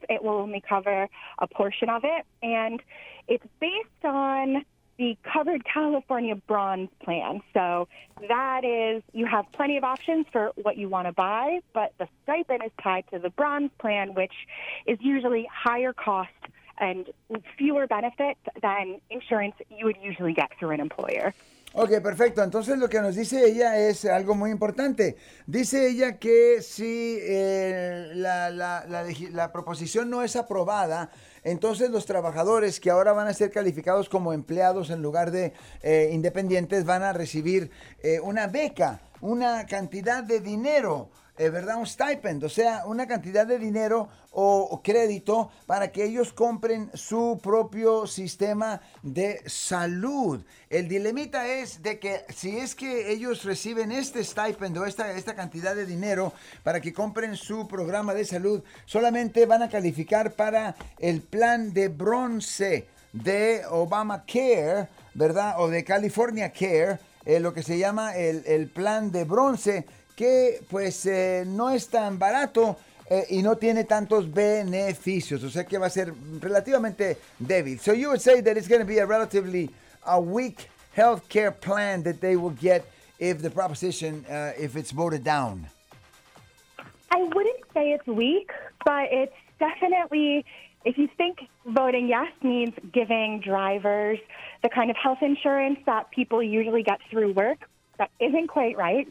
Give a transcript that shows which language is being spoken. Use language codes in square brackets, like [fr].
[en] It will only cover a portion of it. And it's based on the covered California bronze plan. So that is, you have plenty of options for what you want to buy, but the stipend is tied to the bronze plan, which is usually higher cost and fewer benefits than insurance you would usually get through an employer. [es] Okay, perfecto. Entonces lo que nos dice ella es algo muy importante. Dice ella que si la proposición no es aprobada, entonces los trabajadores que ahora van a ser calificados como empleados en lugar de independientes van a recibir una beca, una cantidad de dinero, ¿verdad? Un stipend, o sea, una cantidad de dinero o crédito para que ellos compren su propio sistema de salud. El dilemita es de que si es que ellos reciben este stipend o esta cantidad de dinero para que compren su programa de salud, solamente van a calificar para el plan de bronce de Obamacare, ¿verdad? O de California Care, lo que se llama el plan de bronce, que pues no es tan barato y no tiene tantos beneficios, o sea que va a ser relativamente débil. [en] So you would say that it's going to be a relatively a weak healthcare plan that they will get if the proposition, if it's voted down. I wouldn't say it's weak, but it's definitely, if you think voting yes means giving drivers the kind of health insurance that people usually get through work, that isn't quite right.